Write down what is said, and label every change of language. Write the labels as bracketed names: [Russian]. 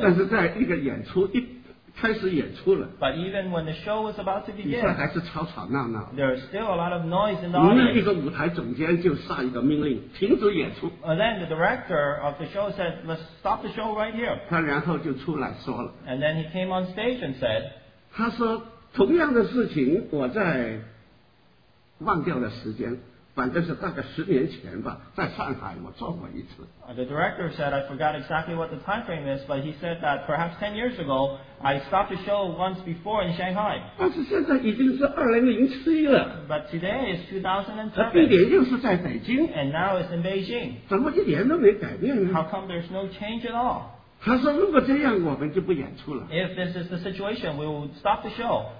[Chinese] 但是在一个演出, 开始演出了, [English] but even when the show was about to begin, [Chinese] 你说还是吵吵闹闹, [English] there is still a lot of noise in the audience. [Chinese] 那一个舞台总监就下一个命令, 停止演出。 [English] Then the director of the show said, let's stop the show right here. [Chinese] 他然后就出来说了, [English] and then he came on stage and said, [Chinese] 他说, 同样的事情我在忘掉的时间, 反正是大概十年前吧，在上海我做过一次。 [English] The director said, I forgot exactly what the time frame is, but he said that perhaps 10 years ago, I stopped the show once before in Shanghai. [Chinese] 但是现在已经是2007了。 [English] But today is 2007. [Chinese] 地点又是在北京。 [English] And now it's in Beijing. [Chinese] 怎么一点都没改变呢？ [English] How come there's no change at all? [Chinese] 他说如果这样我们就不演出了。 [English] If this is the situation, we will stop the show.